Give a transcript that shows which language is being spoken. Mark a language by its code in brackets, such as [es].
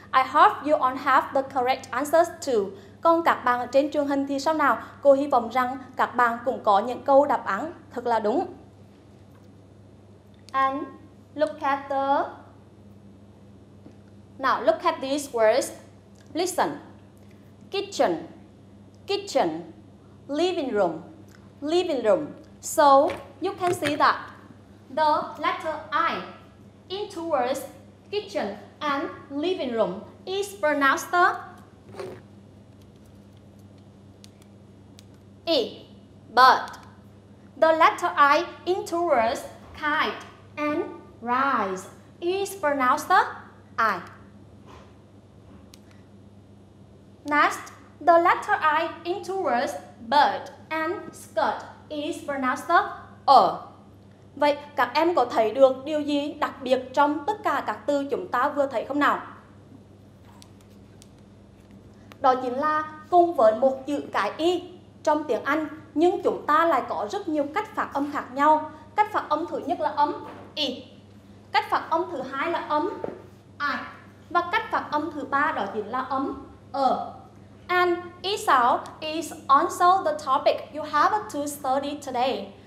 [en] I hope you all have the correct answers too. [vi] Còn các bạn trên truyền hình thì sao nào? Cô hy vọng rằng các bạn cũng có những câu đáp án thật là đúng. [en] And look at the... Now look at these words. Listen. Kitchen. Kitchen. Living room. Living room. So you can see that the letter I in two words, kitchen and living room, is pronounced the E, but the letter I in two words, kite and rise, is pronounced the I. Next, the letter I in two words, bird and skirt, is pronounced the O. [vi] Vậy các em có thấy được điều gì đặc biệt trong tất cả các từ chúng ta vừa thấy không nào? Đó chính là cùng với một chữ cái Y trong tiếng Anh, nhưng chúng ta lại có rất nhiều cách phát âm khác nhau. Cách phát âm thứ nhất là âm Y. Cách phát âm thứ hai là âm I. Và cách phát âm thứ ba đó chính là âm Ờ. [en] And each sound is also the topic you have to study today.